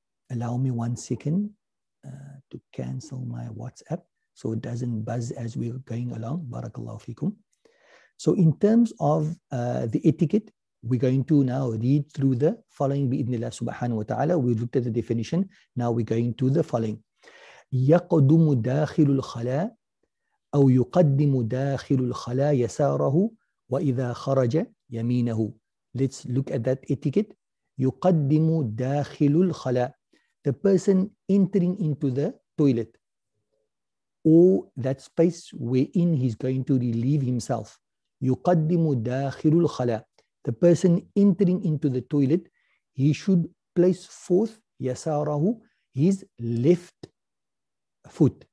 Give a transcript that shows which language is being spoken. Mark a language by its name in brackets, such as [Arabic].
[English] Allow me 1 second to cancel my WhatsApp so it doesn't buzz as we're going along. Barakallahu feekum. So in terms of the etiquette, we're going to now read through the following bi-idhnillah subhanahu wa ta'ala. We looked at the definition. Now we're going to the following. [Arabic] يقدم داخل الخلاء أو يقدم داخل الخلاء يساره وإذا خرج يمينه. [English] Let's look at that etiquette. [Arabic] يقدم داخل الخلاء. [English] The person entering into the toilet or that space wherein he's going to relieve himself. [Arabic] يقدم داخل الخلاء. [English] The person entering into the toilet, he should place forth [Arabic] يساره, [English] his left foot.